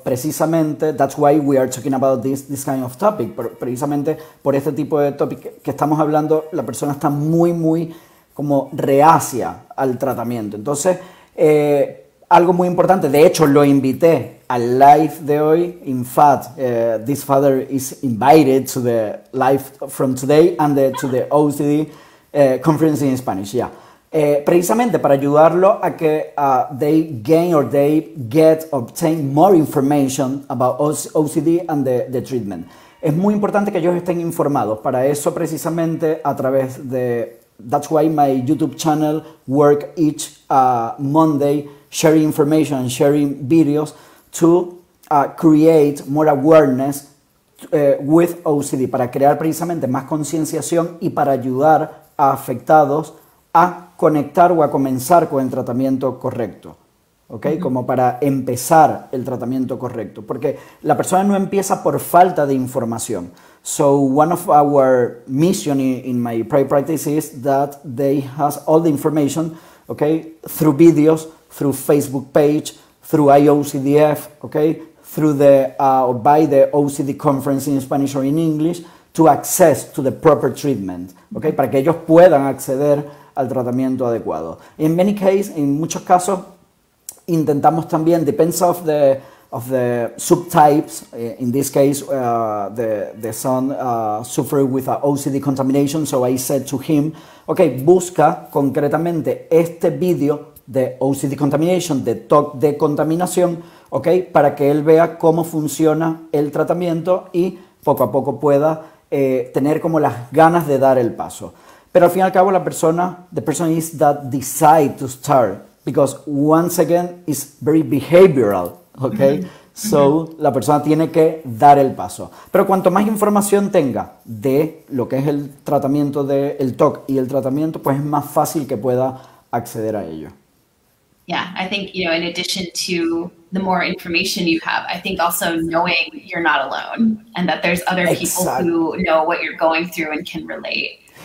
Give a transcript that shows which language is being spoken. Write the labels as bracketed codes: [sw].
[en] Precisamente, that's why we are talking about this kind of topic. [es] Precisamente por este tipo de topic que estamos hablando, la persona está muy, muy como reacia al tratamiento. Entonces, algo muy importante. De hecho, lo invité al live de hoy. [en] In fact, this father is invited to the live from today and to the OCD conference in Spanish. [es] Yeah. Precisamente para ayudarlo a que [en] they gain or they get obtain more information about OCD and the treatment. [es] Es muy importante que ellos estén informados. Para eso, precisamente, a través de... [en] That's why my YouTube channel work each Monday sharing information, sharing videos to create more awareness with OCD, [es] para crear precisamente más concienciación y para ayudar a afectados a conectar o a comenzar con el tratamiento correcto, [en] ¿ok? Uh-huh. [es] Como para empezar el tratamiento correcto, porque la persona no empieza por falta de información. [en] So one of our mission in my private practice is that they have all the information, okay, through videos, through Facebook page, through IOCDF, okay, through the or by the OCD conference in Spanish or in English, to access to the proper treatment, okay, [es] para que ellos puedan acceder al tratamiento adecuado. [en] In many cases, [es] in muchos casos, intentamos también, [en] depends of the subtypes, in this case, the son suffered with a OCD contamination, so I said to him, okay, [es] busca concretamente este video de OCD contamination, de TOC de contaminación, okay, para que él vea cómo funciona el tratamiento y poco a poco pueda tener como las ganas de dar el paso. Pero al fin y al cabo, la persona, [en] the person is that decide to start, because once again, it's very behavioral. [es] Okay, so la persona tiene que dar el paso. Pero cuanto más información tenga de lo que es el tratamiento del TOC y el tratamiento, pues es más fácil que pueda acceder a ello. [en] Yeah, I think, you know, in addition to the more information you have, I think also knowing you're not alone and that there's other people who know what you're going through and can relate.